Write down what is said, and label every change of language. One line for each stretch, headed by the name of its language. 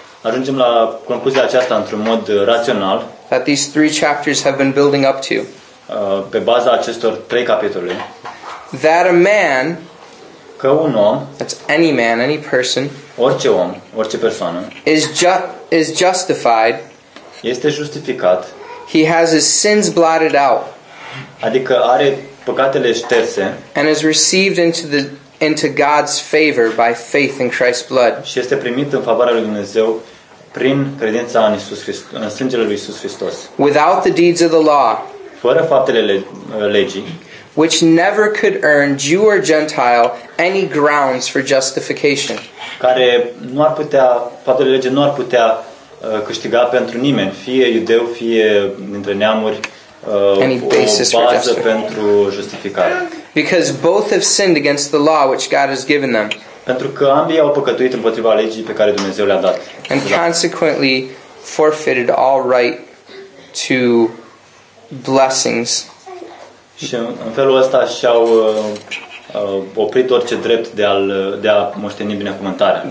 Romanian: Ajungem la concluzia aceasta într-un mod rațional.
English: That these three chapters have been building up to.
Romanian: Pe baza acestor trei capitole.
English: That a man,
Romanian: că un om,
English: that's any man, any person,
Romanian: orice om, orice persoană,
English: is justified.
Romanian: Este justificat.
English: He has his sins blotted out.
Romanian: Adică are păcatele șterse.
English: And is received into God's favor by faith in Christ's blood.
Romanian: Și este primit în favoarea lui Dumnezeu prin credința în Isus Hristos, în sângele lui Isus Hristos.
English: Without the deeds of the law.
Romanian: Fără faptele legii.
English: Which never could earn Jew or Gentile any grounds for justification.
Romanian: Care nu ar putea, faptele legii nu ar putea câștiga pentru nimeni, fie iudeu, fie dintre neamuri, o bază pentru justificare.
English: Because both have sinned against the law which God has given them.
Romanian: Pentru că ambii au păcătuit împotriva legii pe care Dumnezeu le-a dat.
English: And consequently forfeited all right to blessings.
Romanian: Și în felul ăsta și-au oprit orice drept de a moșteni binecuvântarea.